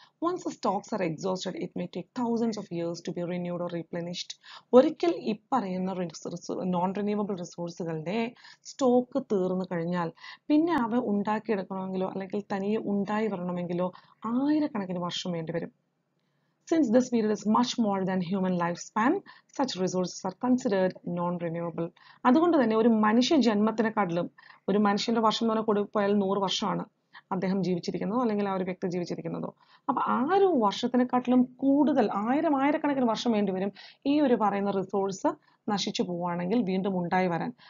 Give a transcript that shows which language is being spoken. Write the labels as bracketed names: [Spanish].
[English] Once stocks are exhausted it may take thousands of years to be renewed or replenished. [Malayalam] ഒരിക്കൽ ഈ പറയുന്ന non renewable റിസോഴ്സുകളുടെ stock തീർന്നു കഴിഞ്ഞാൽ പിന്നെ അവ ഉണ്ടാക്കിയെടുക്കണമെങ്കിലോ അല്ലെങ്കിൽ തനിയെ ഉണ്ടായി വരണമെങ്കിലോ ആയിരക്കണക്കിന് വർഷം വേണ്ടിവരും. [English] Since this period is much more than human lifespan, such resources are considered non-renewable. [Malayalam] അതുകൊണ്ട് തന്നെ ഒരു മനുഷ്യ ജന്മത്തിനെക്കാട്ടിലും ഒരു മനുഷ്യന്റെ വർഷം എന്ന് കൂടി പോയാൽ 100 വർഷമാണ് അദ്ദേഹം ജീവിച്ചിരിക്കുന്നതോ അല്ലെങ്കിൽ ആ ഒരു വ്യക്തി ജീവിച്ചിരിക്കുന്നതോ. അപ്പൊ ആ ഒരു വർഷത്തിനെക്കാട്ടിലും കൂടുതൽ ആയിരം ആയിരക്കണക്കിന് വർഷം വേണ്ടിവരും ഈ ഒരു പറയുന്ന റിസോഴ്സ് നശിച്ചു പോവുകയാണെങ്കിൽ വീണ്ടും ഉണ്ടായി വരാൻ.